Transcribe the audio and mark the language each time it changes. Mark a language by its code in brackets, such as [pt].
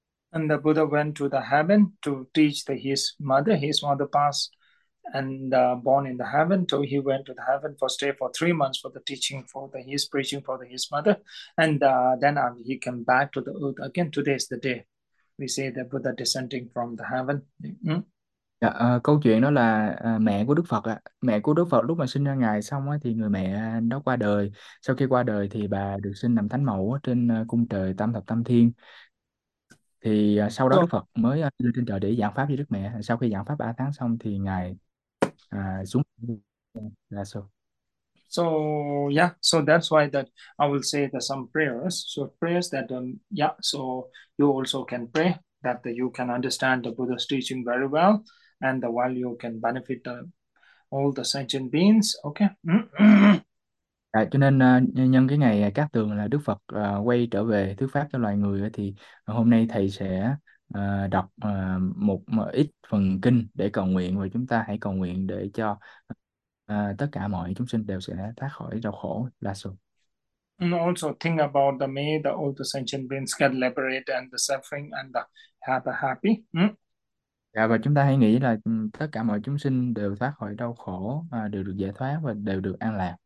[en] And the Buddha went to the heaven to teach the, his mother passed and born in the heaven. So he went to the heaven for stay for 3 months for the teaching for the his preaching for the, his mother. And then he came back to the earth again. Today is the day we say the Buddha descending from the heaven. [vi] Dạ, câu chuyện đó là mẹ của Đức Phật ạ. Mẹ của Đức Phật lúc mà sinh ra ngài xong thì người mẹ đó qua đời. Sau khi qua đời thì bà được sinh làm thánh mẫu trên cung trời Tam Thập Tam Thiên. Thì sau đó Đức Phật mới lên trên trời để giảng pháp với Đức Mẹ. Sau khi giảng pháp 3 tháng xong thì ngài xuống là sau. [en] So yeah, so that's why that I will say that some prayers. So prayers that yeah, so you also can pray that you can understand the Buddha's teaching very well, and the while you can benefit all the sentient beings. Okay. [vi] À, cho nên nhân cái ngày Cát Tường là Đức Phật quay trở về thuyết pháp cho loài người, thì hôm nay thầy sẽ đọc một ít phần kinh để cầu nguyện, và chúng ta hãy cầu nguyện để cho tất cả mọi chúng sinh đều sẽ thoát khỏi đau khổ. Là số. [en] And also think about the may the all the sentient beings get liberated and the suffering and the have a happy. [vi] Dạ, và chúng ta hãy nghĩ là tất cả mọi chúng sinh đều thoát khỏi đau khổ, đều được giải thoát và đều được an lạc.